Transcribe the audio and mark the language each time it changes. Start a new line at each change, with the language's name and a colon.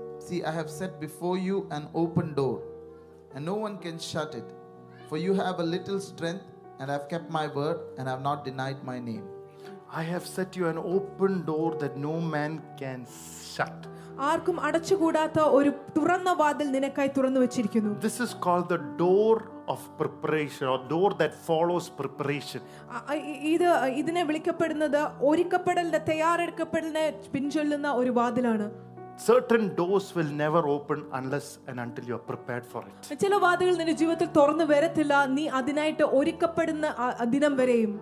English: See, I have set before you an open door, and no one can shut it. For you have a little strength, and I have kept my word and I have not denied my name. I have set you an open door that no man can shut.
Malayalam: ആർക്കും അടച്ചു കൂടാത്ത ഒരു തുറന്ന വാതിൽ നിനക്കായി തുറന്നു വെച്ചിരിക്കുന്നു.
English: This is called the door of preparation, or door that follows preparation.
Malayalam: ഇത് ഇതിനെ വിളിക്കപ്പെടുന്നത് ഒരുക്കപ്പെടലിന്റെ തയ്യാറെടുക്കപ്പെടലിനെ പിൻചൊല്ലുന്ന ഒരു വാതിലാണ്.
English: Certain doors will never open unless and until you are prepared for it.
Malayalam: ചില വാതിലുകൾ നിന്റെ ജീവിതത്തിൽ തുറന്നു വരത്തില്ല നീ അതിനായിട്ട് ഒരുക്കപ്പെടുന്ന ദിനം വരെയും.